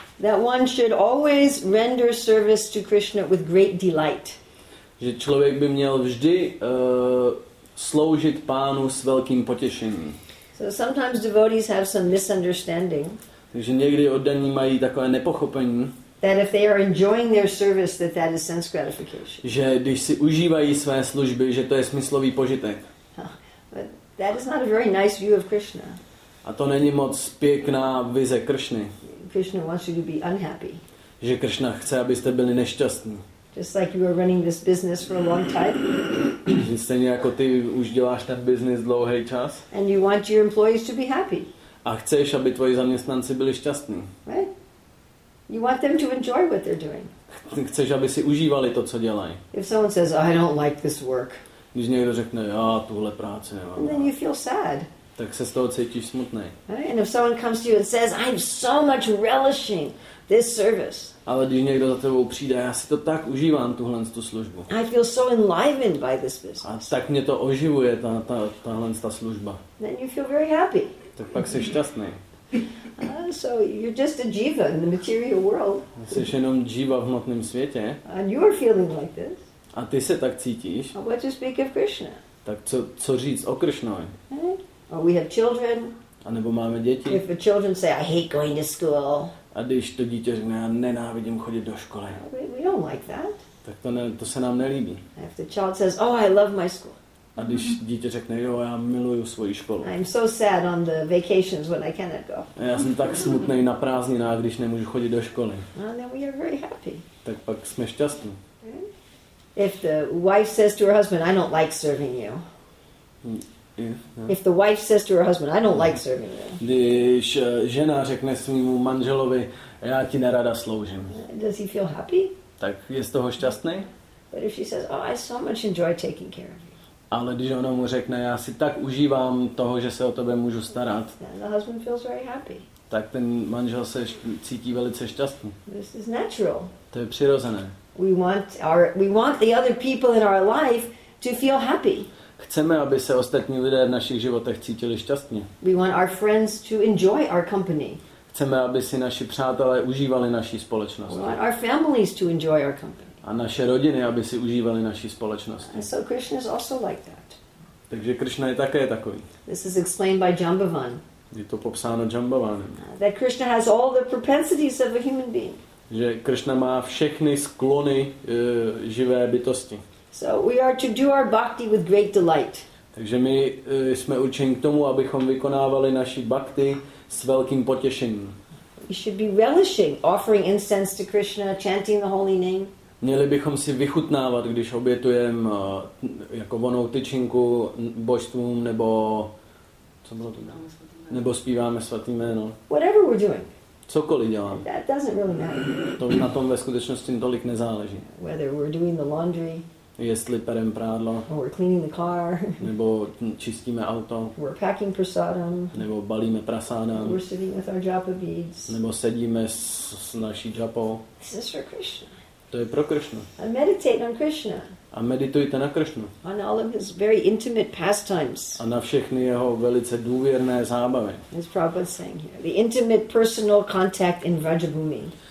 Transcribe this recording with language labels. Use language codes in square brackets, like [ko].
[en] That one should always render service to Krishna with great delight. [cs] Že člověk by měl vždy sloužit pánu s velkým potěšením. [en] So sometimes devotees have some misunderstanding. [cs] Takže někdy oddaní mají takové nepochopení. [en] That if they are enjoying their service, that is sense gratification. [cs] Že když si užívají své služby, že to je smyslový požitek. [en] But that is not a very nice view of Krishna. [cs] A to není moc pěkná vize Krishny. [en] Krishna wants you to be unhappy. [cs] Že Krishna chce, abyste byli nešťastní. [en] Just like you were running this business for a long time. [cs] Že stejně jako ty už děláš ten business dlouhý čas. [en] And you want your employees to be happy. [cs] A chceš, aby tvoji zaměstnanci byli šťastní. [en] Right? You want them to enjoy what they're doing. [cs] Chceš, aby si užívali to, co dělají. [en] If someone says, "I don't like this work." [cs] Když někdo řekne, já tuhle práci nemám. [en] And then you feel sad. [cs] Tak se z toho cítíš smutný. [en] And if someone comes to you and says, "I'm so much relishing this service." [cs] Ale když někdo za tebou přijde, já si to tak užívám tuhle tu službu. [en] I feel so enlivened by this business. [cs] A tak mě to oživuje ta služba. [en] Then you feel very happy. [cs] Tak pak jsi šťastný. [en] So you're just a jiva in the material world. [cs] Jsi jenom jiva v hmotném světě. [en] And you're feeling like this. [cs] A ty se tak cítíš. [en] How about you speak of Krishna? [cs] Tak co říct o Krishnovi? [en] Or we have children. [cs] A nebo máme děti. [en] If the children say, "I hate going to school." [cs] A když to dítě řekne, já nenávidím chodit do školy. [en] We don't like that. [cs] Tak to se nám nelíbí. [en] If the child says, "Oh, I love my school." [cs] A když dítě řekne, jo, já miluju svoji školu. [en] I'm so sad on the vacations when I cannot go. [cs] Já jsem tak smutný na prázdninách, když nemůžu chodit do školy. [en] And then we are very happy. [cs] Tak pak jsme šťastní. [en] If the wife says to her husband, "I don't like serving you." If the wife says to her husband, "I don't like serving you." [cs] Když žena řekne svému manželovi, já ti nerada sloužím. [en] Does he feel happy? [cs] Tak je z toho šťastný? [en] But if she says, "Oh, I so much enjoy taking care of you." [cs] Ale když ona mu řekne, já si tak užívám toho, že se o tebe můžu starat, [en] the husband feels very happy. [cs] Tak ten manžel se cítí velice šťastný. [en] This is natural. [cs] To je přirozené. [en] We want the other people in our life to feel happy. [cs] Chceme, aby se ostatní lidé v našich životech cítili šťastně. [en] We want our friends to enjoy our company. [cs] Chceme, aby si naši přátelé užívali naší společnost. [en] We want our families to enjoy our company. [cs] A naše rodiny, aby si užívali naší společnosti. [en] And so Krishna is also like that. [cs] Takže Krishna je také takový. [en] This is explained by Jambavan. [cs] Je to popsáno Jambavanem. [en] That Krishna has all the propensities of a human being. [cs] Že Krishna má všechny sklony živé bytosti. [en] So we are to do our bhakti with great delight. [cs] Takže my jsme učeni k tomu, abychom vykonávali naši bhakti s velkým potěšením. [en] We should be relishing offering incense to Krishna, chanting the holy name. [cs] Měli bychom si vychutnávat, když obětujeme jako vonou tyčinku božstvům nebo co bylo to? Nebo zpíváme svatý jméno. [en] Whatever we're doing. [cs] Cokoliv dělám. [en] That doesn't really matter. [cs] To na tom ve skutečnosti tolik nezáleží. [en] Whether we're doing the laundry. [cs] Jestli perem prádlo. [en] Or we're cleaning the car. [cs] Nebo čistíme auto. [en] We're packing prasadam. [cs] Nebo balíme prasadam. [en] We're sitting with our japa beads. [cs] Nebo sedíme s naší japou. [en] This is for Krishna. [cs] To je pro Krishnu. [en] I meditate on Krishna. [cs] A meditujte na Krishnu. [en] On all of his very intimate pastimes. [cs] A na všechny jeho velice důvěrné zábavy. [en] As Prabhupada saying here, the intimate personal contact in Vrajabhumi.